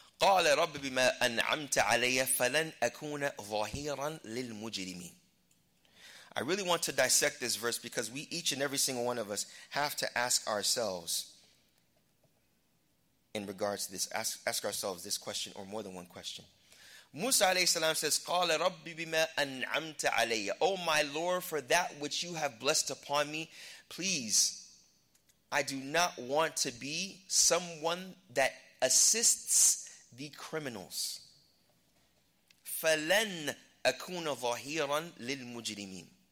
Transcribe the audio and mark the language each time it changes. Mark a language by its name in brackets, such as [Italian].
[Arabic] قَالَ رَبِّ بِمَا أَنْعَمْتَ عَلَيَّ فَلَنْ أَكُونَ ظَهِيرًا لِلْمُجْرِمِينَ. [English] I really want to dissect this verse because we each and every single one of us have to ask ourselves in regards to this, ask ourselves this question or more than one question. Musa alayhi salam says, [Arabic] قَالَ رَبِّ بِمَا أَنْعَمْتَ عَلَيَّ. [English] Oh my Lord, for that which you have blessed upon me, please, I do not want to be someone that assists the criminals. [Arabic] فَلَنْ أَكُونَ ظَهِيرًا لِلْمُجْرِمِينَ.